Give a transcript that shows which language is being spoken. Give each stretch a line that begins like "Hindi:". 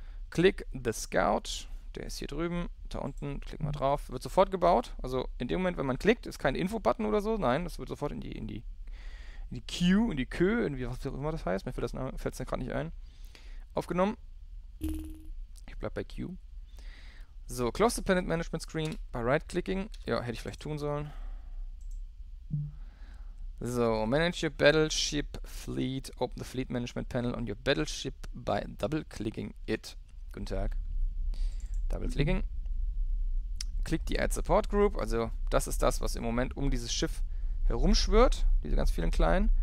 English: Click the Scout.
German: Der ist hier drüben. Da unten, klicken wir drauf, wird sofort gebaut. Also in dem Moment, wenn man klickt, ist kein Info-Button oder so. Nein, das wird sofort in die Queue, in die Kö, irgendwie was auch immer das heißt. Mir fällt das Name gerade nicht ein. Aufgenommen. Ich bleib bei Queue.
English: So, close the Planet Management Screen by right-clicking.
German: Ja, hätte ich vielleicht tun sollen.
English: So, manage your Battleship Fleet. Open the Fleet Management Panel on your Battleship by double-clicking it.
German: Guten Tag. Double-clicking. Klickt die Add Support Group, also das ist das, was im Moment um dieses Schiff herumschwirrt, diese ganz vielen kleinen.